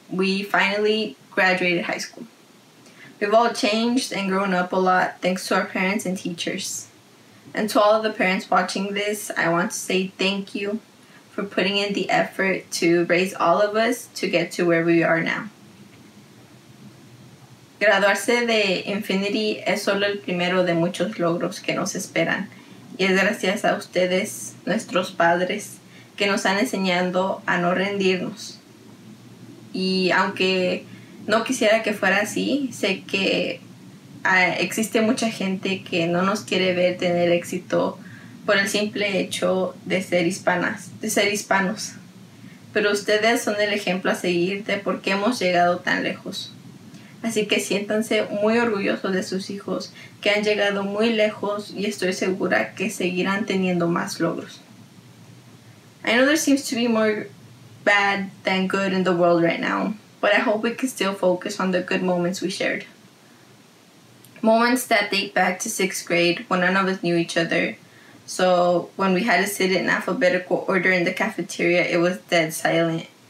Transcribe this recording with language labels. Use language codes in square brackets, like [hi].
[en] We finally graduated high school. We've all changed and grown up a lot thanks to our parents and teachers. And to all of the parents watching this, I want to say thank you for putting in the effort to raise all of us to get to where we are now. [es] Graduarse de Infinity es solo el primero de muchos logros que nos esperan. Y es gracias a ustedes, nuestros padres, que nos han enseñado a no rendirnos. Y aunque no quisiera que fuera así, sé que existe mucha gente que no nos quiere ver tener éxito por el simple hecho de ser hispanas, de ser hispanos. Pero ustedes son el ejemplo a seguir de por qué hemos llegado tan lejos. Así que siéntanse muy orgullosos de sus hijos, que han llegado muy lejos y estoy segura que seguirán teniendo más logros. [en] I know there seems to be more bad than good in the world right now, but I hope we can still focus on the good moments we shared. Moments that date back to sixth grade when none of us knew each other. So when we had to sit in alphabetical order in the cafeteria, it was dead silent.